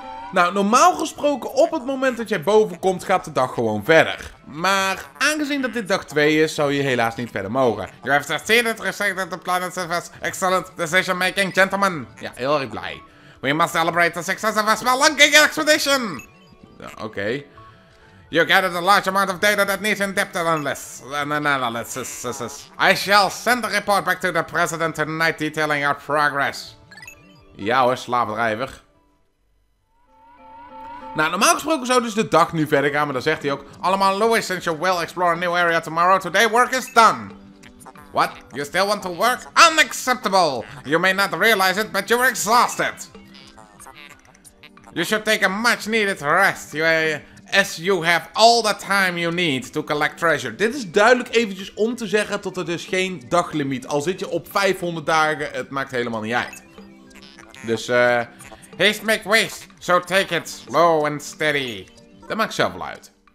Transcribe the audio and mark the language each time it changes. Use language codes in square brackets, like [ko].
[nl] Nou, normaal gesproken, op het moment dat jij boven komt, gaat de dag gewoon verder. Maar aangezien dat dit dag 2 is, zou je helaas niet verder mogen. [en] You have succeeded to reset the planet surface. Excellent decision making, gentlemen. [nl] Ja, heel erg blij. [en] We must celebrate the success of a spelunking expedition. [nl] Ja, oké. [en] You gathered a large amount of data that needs in-depth analysis. I shall send the report back to the president tonight detailing our progress. [nl] Ja hoor, slaapdrijver. Nou, normaal gesproken zou dus de dag nu verder gaan, maar dan zegt hij ook: allemaal Louis, [en] since you will explore a new area tomorrow, today work is done. What? You still want to work? Unacceptable! You may not realize it, but you're exhausted. You should take a much needed rest, as you have all the time you need to collect treasure. [nl] Dit is duidelijk eventjes om te zeggen tot er dus geen daglimiet. Al zit je op 500 dagen, het maakt helemaal niet uit. Dus, [en] haste make waste. So take it slow and steady. [nl] Dat maakt zelf wel uit.